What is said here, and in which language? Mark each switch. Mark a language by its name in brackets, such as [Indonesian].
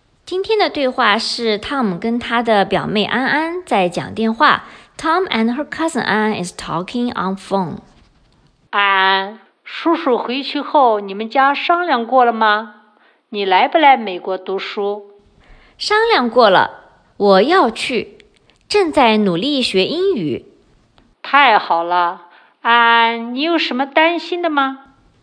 [Chinese] 今天的对话是 Tom 跟他的表妹安安在讲电话。 [English] Tom and her cousin An is talking on phone. [Chinese] 安，叔叔回去后你们家商量过了吗？你来不来美国读书？商量过了，我要去，正在努力学英语。太好了。安，你有什么担心的吗？